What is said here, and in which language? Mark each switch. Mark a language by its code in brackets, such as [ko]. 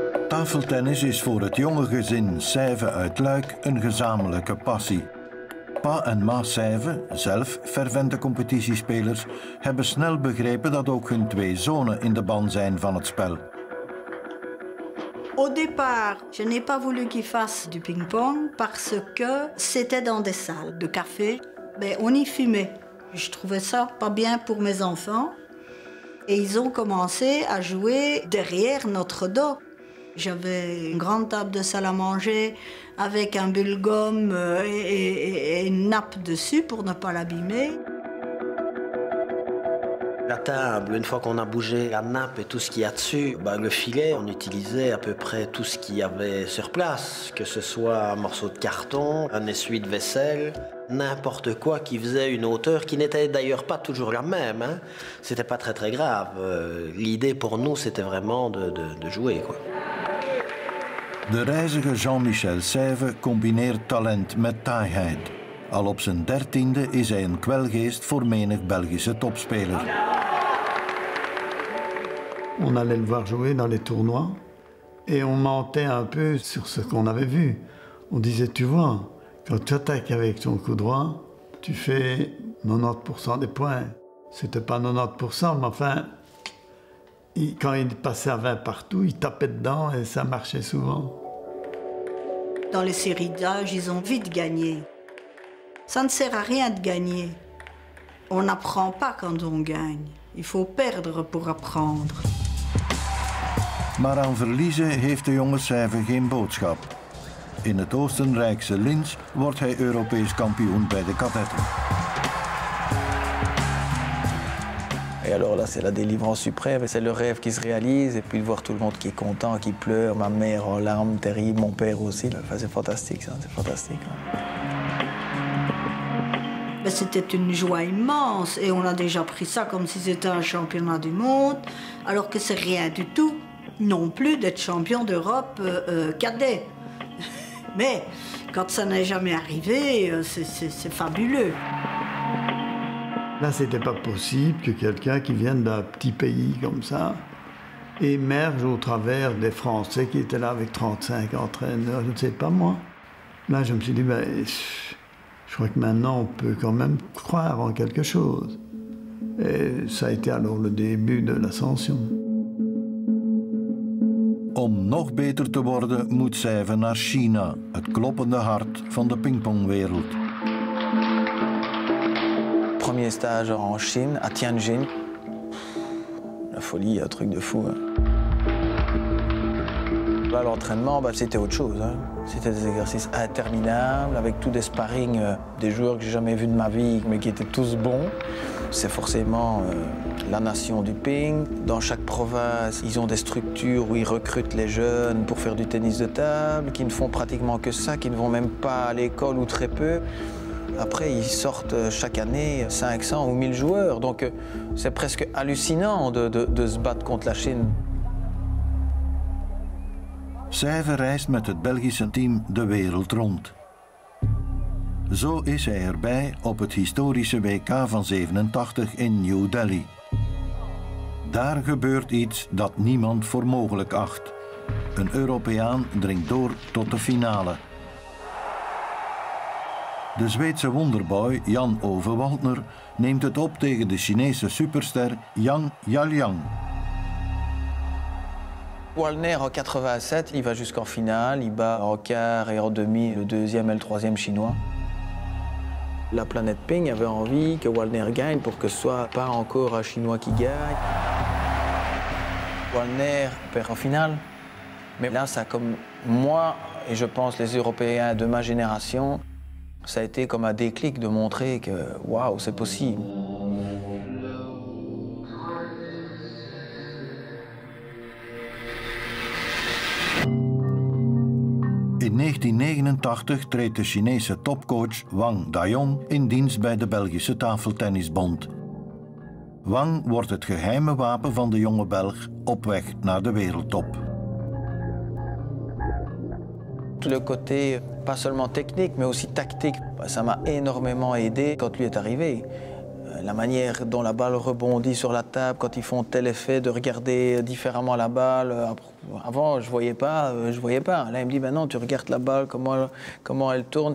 [nl] Tafeltennis is voor het jonge gezin Sijven uit Luik een gezamenlijke passie. Pa en ma Sijven, zelf fervente competitiespelers, hebben snel begrepen dat ook hun twee zonen in de ban zijn van het spel. [fr] Au départ, je n'ai pas voulu qu'il fasse du ping-pong parce que c'était dans des salles de café, mais on y fumait. Je trouvais ça pas bien pour mes enfants et ils ont commencé à jouer derrière notre dos. J'avais une grande table de salle à manger avec un bulle-gomme et une nappe dessus pour ne pas l'abîmer. La table, une fois qu'on a bougé la nappe et tout ce qu'il y a dessus, ben le filet, on utilisait à peu près tout ce qu'il y avait sur place, que ce soit un morceau de carton, un essuie-de-vaisselle, n'importe quoi qui faisait une hauteur qui n'était d'ailleurs pas toujours la même. Hein. C'était pas très très grave. L'idée pour nous, c'était vraiment de jouer, quoi. [nl] De reizige Jean-Michel Sijven combineert talent met taaiheid. Al op zijn 13e is hij een kwelgeest voor menig Belgische topspeler. [fr] On allait le voir jouer dans les tournois et on mentait un peu sur ce qu'on avait vu. On disait, tu vois, quand tu attaques avec ton coup droit, tu fais 90% des points. C'était pas 90%, mais enfin. Quand il passait à 20 partout, il tapait dedans et ça marchait souvent. Dans les séries d'âge, ils ont vite gagné. Ça ne sert à rien de gagner. On n'apprend pas quand on gagne. Il faut perdre pour apprendre. [nl] Maar aan verliezen heeft de jonge Sijven geen boodschap. In het Oostenrijkse Linz wordt hij Europees kampioen bij de kadetten. [fr] Et alors là, c'est la délivrance suprême, c'est le rêve qui se réalise. Et puis de voir tout le monde qui est content, qui pleure, ma mère en larmes, terrible, mon père aussi. Enfin, c'est fantastique, ça, c'est fantastique. Mais c'était une joie immense et on a déjà pris ça comme si c'était un championnat du monde, alors que c'est rien du tout non plus d'être champion d'Europe cadet. Mais quand ça n'est jamais arrivé, c'est fabuleux. Là, c'était pas possible que quelqu'un qui vienne d'un petit pays comme ça émerge au travers des Français qui étaient là avec 35 entraîneurs, je ne sais pas moi. Là, je me suis dit, ben, je crois que maintenant, on peut quand même croire en quelque chose. Et ça a été alors le début de l'ascension. [nl] Om nog beter te worden, moet Sijven naar China, het kloppende hart van de pingpongwereld. [fr] Premier stage en Chine, à Tianjin. La folie, un truc de fou. Là, l'entraînement, bah, c'était autre chose. Hein. C'était des exercices interminables, avec tout des sparring des joueurs que j'ai jamais vus de ma vie, mais qui étaient tous bons. C'est forcément la nation du ping. Dans chaque province, ils ont des structures où ils recrutent les jeunes pour faire du tennis de table, qui ne font pratiquement que ça, qui ne vont même pas à l'école ou très peu. Après, ils sortent chaque année 500 ou 1000 joueurs. Donc, c'est presque hallucinant de se battre contre la Chine. [nl] Sève reist met het Belgische team de wereld rond. Zo is hij erbij op het historische WK van 87 in New Delhi. Daar gebeurt iets dat niemand voor mogelijk acht. Een Europeaan dringt door tot de finale. De Zweedse wonderboy Jan Ove Waldner neemt het op tegen de Chinese superster Yang Jialiang. [fr] Waldner en 87, il va jusqu'en finale, il bat en quart et en demi le deuxième et le troisième chinois. La planète Ping avait envie que Waldner gagne pour que ce soit pas encore un chinois qui gagne. Waldner perd en finale. Mais là, ça comme moi et je pense les Européens de ma génération, ça a été comme un déclic de montrer que waouh, c'est possible. [nl] In 1989 treedt de Chinese topcoach Wang Dayong in dienst bij de Belgische Tafeltennisbond. Wang wordt het geheime wapen van de jonge Belg op weg naar de wereldtop. [fr] Le côté pas seulement technique mais aussi tactique, ça m'a énormément aidé quand lui est arrivé. La manière dont la balle rebondit sur la table, quand ils font tel effet, de regarder différemment la balle. Avant, je voyais pas. Là, il me dit, ben non, tu regardes la balle, comment elle tourne.